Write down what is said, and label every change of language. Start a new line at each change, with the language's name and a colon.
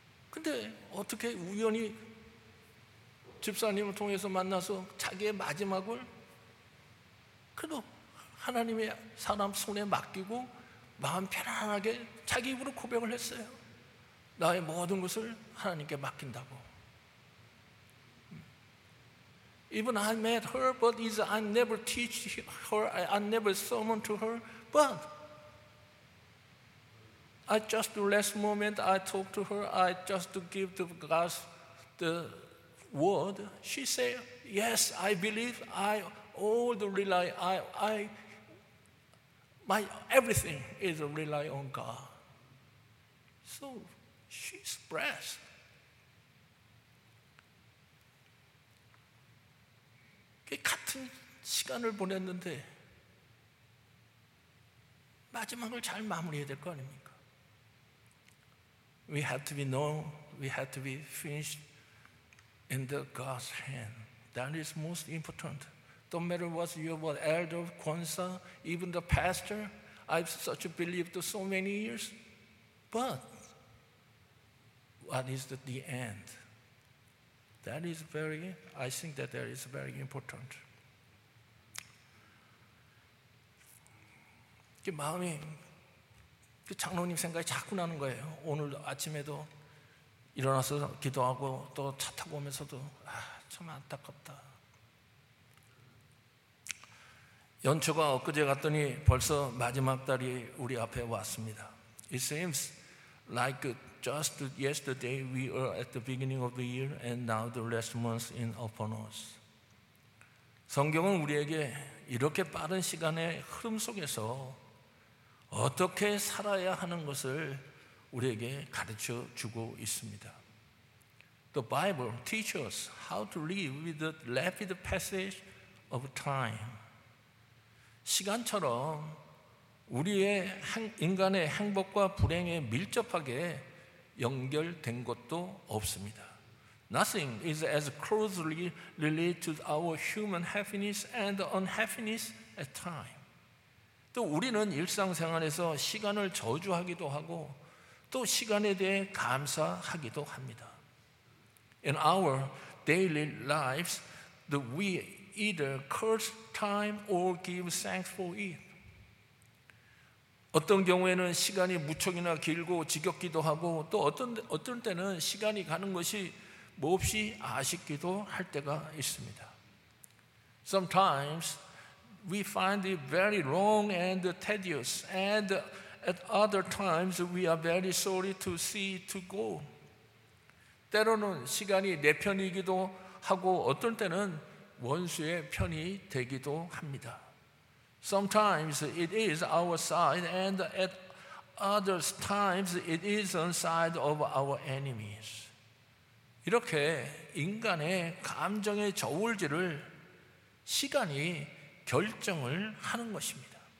Korean: 근데 어떻게 우연히 집사님을 통해서 만나서 자기의 마지막을 그래도 하나님의 사람 손에 맡기고 마음 편안하게 자기 입으로 고백을 했어요. 나의 모든 것을 하나님께 맡긴다고.
English: Even I met her, but I never teach her, I never sermon to her, but I just the last moment I talked to her, I just give to God the word. She said, yes, I believe, I all the rely, I my everything is rely on God. So she's blessed.
Korean: Okay, 같은 시간을 보냈는데 마지막을 잘 마무리해야 될 거 아닙니까?
English: We have to be known, we have to be finished in the God's hand. That is most important. Don't matter what you are, elder, Kwanzaa, even the pastor, I've such a belief for so many years. But what is the end? That is very important.
Korean: 마음이 그 장로님 생각이 자꾸 나는 거예요. 오늘 아침에도 일어나서 기도하고 또 차 타고 오면서도 참 안타깝다. 연초가 엊그제 갔더니 벌써 마지막 달이 우리 앞에 왔습니다.
English: It seems like just yesterday we were at the beginning of the year and now the last month in upon us.
Korean: 성경은 우리에게 이렇게 빠른 시간의 흐름 속에서 어떻게 살아야 하는 것을 우리에게 가르쳐 주고 있습니다.
English: The Bible teaches us how to live with the rapid passage of time.
Korean: 시간처럼 우리의 인간의 행복과 불행에 밀접하게 연결된 것도 없습니다.
English: Nothing is as closely related to our human happiness and unhappiness as time.
Korean: 또 우리는 일상생활에서 시간을 저주하기도 하고 또 시간에 대해 감사하기도 합니다.
English: In our daily lives, we either curse time or give thanks for it.
Korean: 어떤 경우에는 시간이 무척이나 길고 지겹기도 하고 또 어떤 때는 시간이 가는 것이 몹시 아쉽기도 할 때가 있습니다.
English: Sometimes we find it very long and tedious, and at other times we are very sorry to see to go.
Korean: 때로는 시간이 내 편이기도 하고 어떤 때는 원수의 편이 되기도 합니다.
English: Sometimes it is our side, and at other times it is on side of our enemies.
Korean: 이렇게 인간의 감정의 저울질을 시간이 결정을 하는 것입니다.